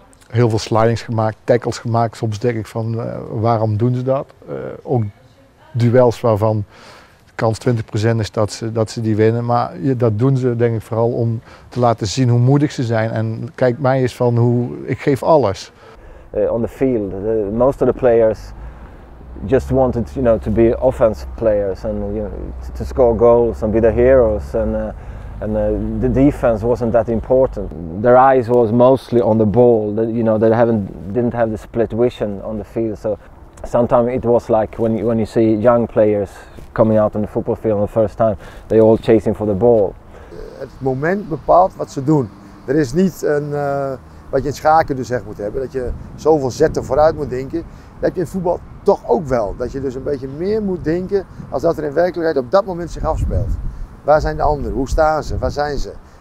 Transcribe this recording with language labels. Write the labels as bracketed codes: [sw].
[nl] Heel veel slidings gemaakt, tackles gemaakt. Soms denk ik van waarom doen ze dat? Ook duels waarvan de kans 20% is dat ze die winnen. Maar dat doen ze denk ik vooral om te laten zien hoe moedig ze zijn. En kijk mij eens van hoe ik geef alles. [en] On the field, most of the players just wanted, you know, to be offense players and to score goals and be the heroes. And the defense wasn't that important. Their eyes was mostly on the ball. They didn't have the split vision on the field. So sometimes it was like when you see young players coming out on the football field for the first time, they all chasing for the ball. [nl] Het moment bepaalt wat ze doen. Er is niet een wat je in schaken dus echt moet hebben, dat je zoveel zetten vooruit moet denken, dat heb je in voetbal toch ook wel. Dat je dus een beetje meer moet denken als dat er in werkelijkheid op dat moment zich afspeelt. Waar zijn de anderen? Hoe staan ze? Waar zijn ze?